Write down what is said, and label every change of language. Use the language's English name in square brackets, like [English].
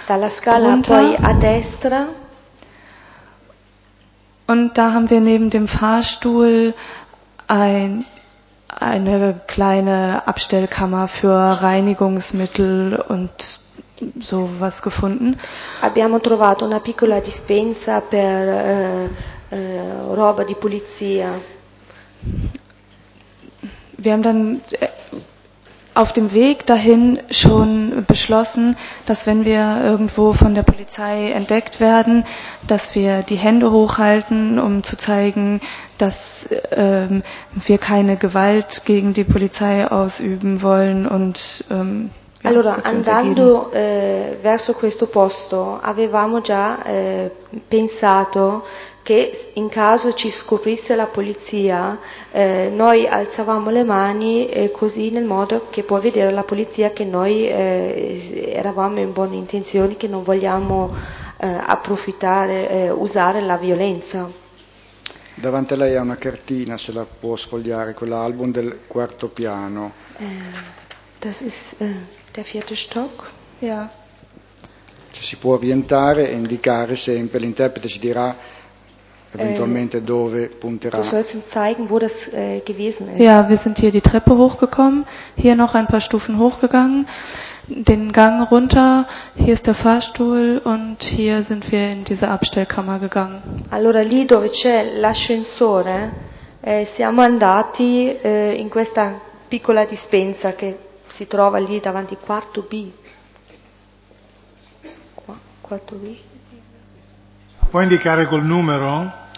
[Italian] Dalla scala poi a destra. [German] Und da haben wir neben dem Fahrstuhl eine kleine Abstellkammer für Reinigungsmittel und sowas gefunden. [Italian] Abbiamo trovato una piccola dispensa per roba di pulizia. [German] Wir haben dann auf dem Weg dahin schon beschlossen, dass wenn wir irgendwo von der Polizei entdeckt werden, dass wir die Hände hochhalten, um zu zeigen, dass wir keine Gewalt gegen die Polizei ausüben wollen und [Italian] ja, allora, andando verso questo posto, avevamo già pensato che in caso ci scoprisse la polizia, noi alzavamo le mani così nel modo che può vedere la polizia che noi eravamo in buone intenzioni, che non vogliamo approfittare, usare la violenza. Davanti a lei ha una cartina, se la può sfogliare, quell'album del quarto piano. [German] Das ist der vierte Stock. Ja. [Italian] Ci si può orientare e indicare sempre, l'interprete ci dirà eventualmente dove punterà. [German] Du sollst uns zeigen, wo das gewesen ist. Ja, wir sind hier die Treppe hochgekommen, hier noch ein paar Stufen hochgegangen, den Gang runter, hier ist der Fahrstuhl und hier sind wir in diese Abstellkammer gegangen. [Italian] Allora lì dove c'è l'ascensore, siamo andati in questa piccola dispensa che si trova lì davanti, quarto B. Qua, quarto B. Può indicare col numero?